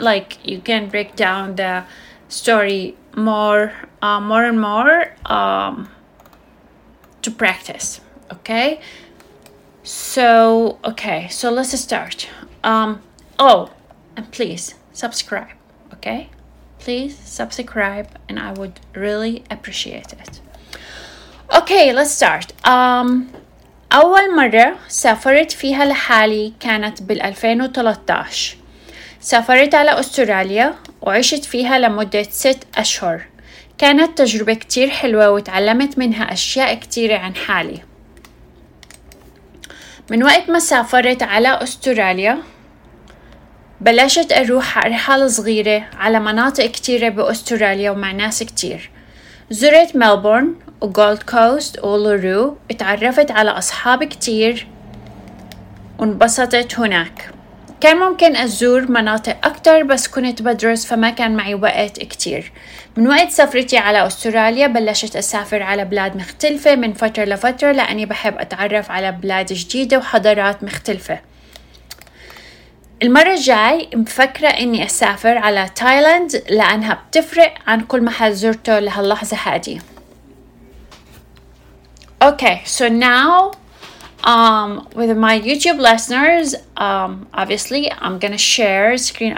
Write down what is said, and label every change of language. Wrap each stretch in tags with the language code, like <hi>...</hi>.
<en>Like, you can break down the story more and more to practice. Okay, so let's start. And please subscribe. Okay, please subscribe, and I would really appreciate it. Okay, let's start.</en> <ar>أول مرة سافرت فيها لحالي كانت بال 2013. سافرت على أستراليا وعشت فيها لمدة 6 أشهر. كانت تجربة كتير حلوة وتعلمت منها أشياء كتيرة عن حالي. من وقت ما سافرت على أستراليا بلشت أروح رحلة صغيرة على مناطق كتيرة بأستراليا ومع ناس كتير. زرت ملبورن وغولد كوست وولورو، اتعرفت على أصحاب كتير وانبسطت هناك. كان ممكن أزور مناطق أكتر بس كنت بدرس فما كان معي وقت كتير. من وقت سفرتي على أستراليا بلشت أسافر على بلاد مختلفة من فترة لفترة، لأني بحب أتعرف على بلاد جديدة وحضارات مختلفة. المرة الجاي مفكرة إني أسافر على تايلاند، لأنها بتفرق عن كل محل زرته لهاللحظة هذه.</ar> <en>Okay, so now with my YouTube listeners, obviously I'm gonna share screen.</en>